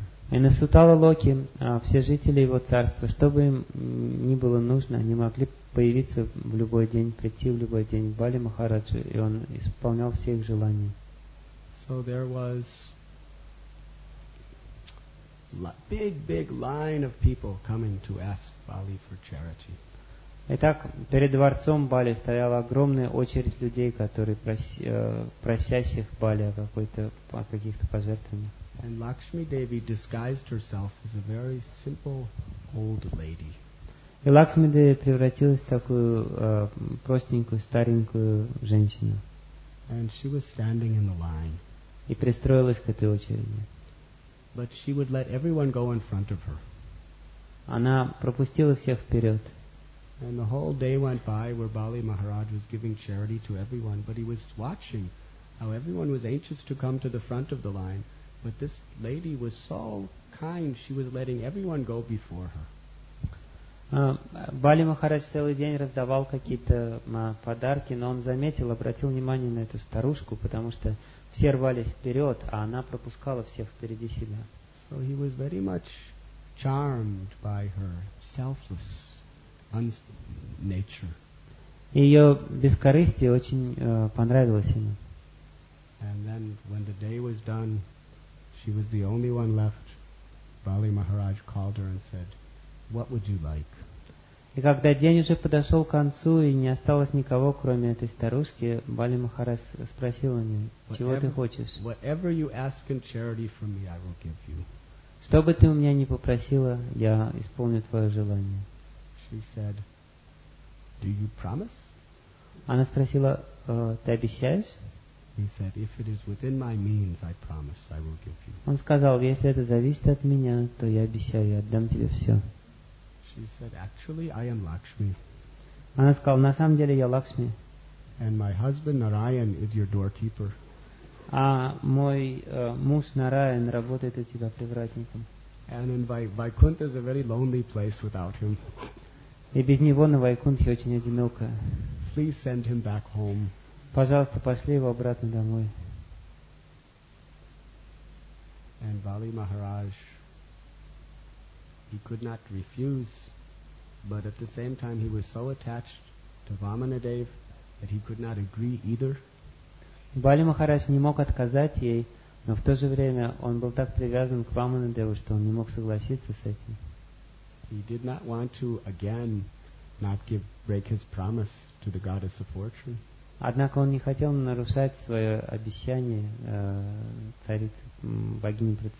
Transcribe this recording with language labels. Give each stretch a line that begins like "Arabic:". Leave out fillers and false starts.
Russian: И на Сутала-локе все жители его царства, что бы им ни было нужно, они могли появиться в любой день, прийти в любой день к Бали Махараджу, и он исполнял все их желания.
English: So there was big line of people coming to ask Bali for charity.
Russian: Итак, перед дворцом Бали стояла огромная очередь людей, которые просящих Бали о каких-то пожертвованиях.
English: And Lakshmi Devi disguised herself as a very simple old lady.
Russian: И Лакшми Деви превратилась в такую простенькую старенькую женщину.
English: And she was standing in the line.
Russian: И пристроилась к этой очереди.
English: But she would let everyone go in front of her.
Russian: Она пропустила всех вперед.
English: And the whole day went by where Bali Maharaj was giving charity to everyone, but he was watching how everyone was anxious to come to the front of the line. But this lady was so kind, she was letting everyone go before her.
Russian: Бали Махарадж целый день раздавал какие-то подарки, но он заметил, обратил внимание на эту старушку, потому что все рвались вперед, а она пропускала всех впереди себя.
English: So he was very much charmed by her selfless nature.
Russian: Ее бескорыстие очень понравилось ему.
English: And then when the day was done, she was the only one left Бали Махарадж called her and said, "What would you like?"
Russian: И когда день уже подошел к концу и не осталось никого, кроме этой старушки, Бали Махарадж спросил у нее, "Чего ты хочешь?"
English: Whatever you ask in charity from me, I will give you.
Russian: Что бы ты у меня ни попросила, я исполню твое желание.
English: She said, "Do you promise?"
Russian: Она спросила, "Ты обещаешь?"
English: He said, "If it is within my means, I promise I will give you."
Russian: Он сказал, если это зависит от меня, то я обещаю, я отдам тебе все.
English: She said, "Actually, I am Lakshmi."
Russian: Она сказала, на самом деле я Лакшми.
English: And my husband Narayan is your doorkeeper.
Russian: А мой муж Нараян работает у тебя привратником.
English: And in Vaikunth is a very lonely place without him.
Russian: И без него на Вайкунтхе очень одиноко.
English: Please send him back home.
Russian: Пожалуйста, пошли его обратно домой.
English: And Бали Махарадж, he could not refuse, but at the same time he was so attached to Vamanadev that he could not agree either.
Russian: Бали Махарадж не мог отказать ей, но в то же время он был так привязан к Вамандеву, что он не мог согласиться с этим.
English: He did not want to again not give break his promise to the goddess of fortune.
Russian: Однако он не хотел нарушать свое обещание царице, богине